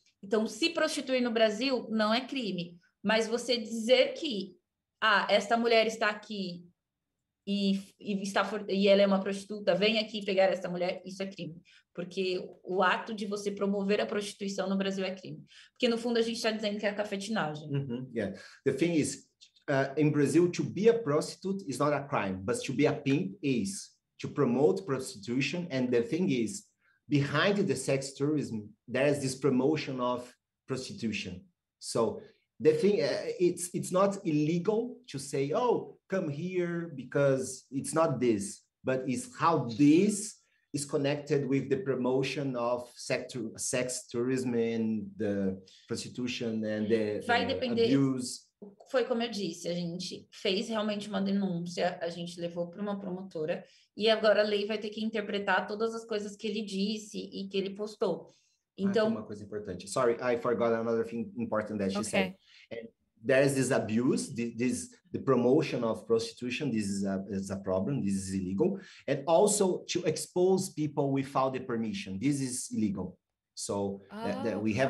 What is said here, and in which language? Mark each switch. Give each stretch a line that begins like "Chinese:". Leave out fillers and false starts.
Portuguese: Então, se prostituir no Brasil não é crime. Mas você dizer que, ah, esta mulher está aqui e ela é uma prostituta, vem aqui pegar essa mulher, isso é crime. Porque o ato de você promover a prostituição no Brasil é crime. Porque, no fundo, a gente está dizendo que é cafetinagem. Uh-huh. Yeah.
English: The thing is, in Brazil, to be a prostitute is not a crime, but to be a pimp is. To promote prostitution, and the thing is, behind the sex tourism, there's this promotion of prostitution. So the thing, it's not illegal to say, oh, come here, because it's not this, but it's how this is connected with the promotion of sex tourism and the prostitution and the
Portuguese: vai depender,
English: abuse.
Portuguese: Foi como eu disse, a gente fez realmente uma denúncia, a gente levou para uma promotora, e agora a lei vai ter que interpretar todas as coisas que ele disse e que ele postou. Então, uma coisa importante.
English: Sorry, I forgot another thing important that she said. There is this abuse, the promotion of prostitution. This is a problem. This is illegal. And also to expose people without the permission. This is illegal. So that we have